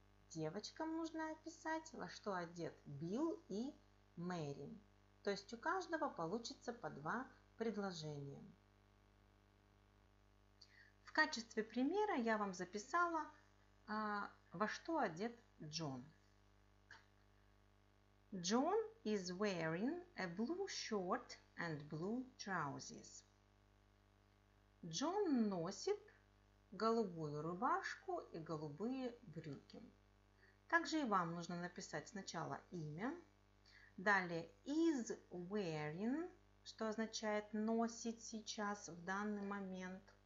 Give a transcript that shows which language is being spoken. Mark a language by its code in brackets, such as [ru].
[ru] Девочкам нужно описать, во что одет Билл и Мэри. То есть у каждого получится по два предложения. В качестве примера я вам записала, во что одет Джон. [en] John is wearing a blue shirt and blue trousers. [ru] John носит голубую рубашку и голубые брюки. Также и вам нужно написать сначала имя, далее [en] is wearing, [ru] что означает носить сейчас в данный момент.